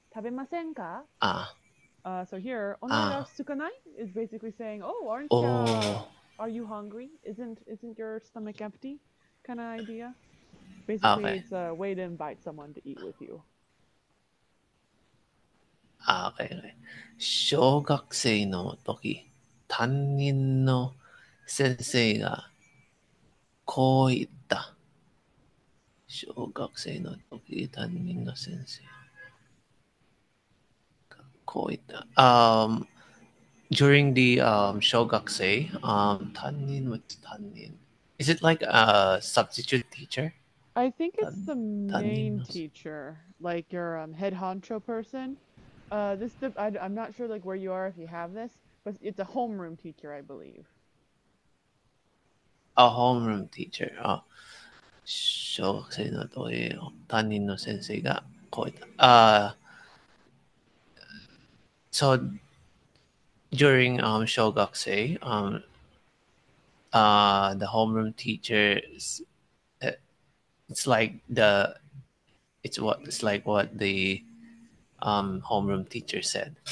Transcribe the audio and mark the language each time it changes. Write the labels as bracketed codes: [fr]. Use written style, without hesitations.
[ja] Tabemasenka? [en] So here, [ja] onaga sukanai [en] is basically saying, oh, are you hungry? Isn't your stomach empty? Kind of idea. Basically, Okay. it's a way to invite someone to eat with you. Okay. [ja] 小学生の時、担任の先生がこう言った。小学生の時、担任の先生こう言った。 [en] During the [ja] 小学生、担任 [en] with 担任。 Is it like a substitute teacher? I think it's the [ja] 担任の。 [en] teacher, like your head honcho person. This the I'm not sure like where you are if you have this, but it's a homeroom teacher, I believe. A homeroom teacher。 [ja] 小学生の時、担任の先生がこう言った。 [en] During 小学生 the homeroom teacher it's like what the homeroom teacher said.